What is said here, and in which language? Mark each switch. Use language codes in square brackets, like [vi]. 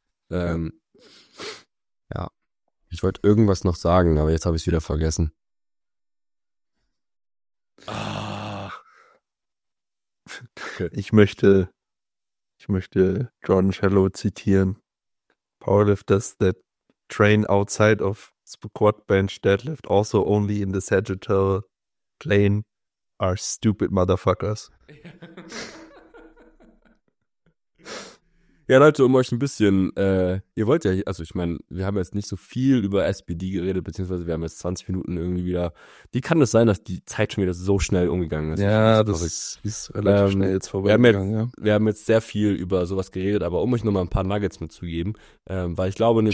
[de] Ja. Ich wollte irgendwas noch sagen, aber jetzt habe ich es wieder vergessen. Ich möchte Jordan Shallow zitieren. [en] Powerlifters that train outside of squat, bench, deadlift, also only in the sagittal plane, are stupid motherfuckers. [de] Ja, Leute, um euch ein bisschen, ihr wollt ja, also ich meine, wir haben jetzt nicht so viel über SPD geredet, beziehungsweise wir haben jetzt 20 Minuten irgendwie wieder, wie kann das sein, dass die Zeit schon wieder so schnell umgegangen ist? Ja, das ist relativ schnell jetzt vorbeigegangen, ja. Wir haben jetzt sehr viel über sowas geredet, aber um euch nochmal ein paar Nuggets mitzugeben, weil ich glaube...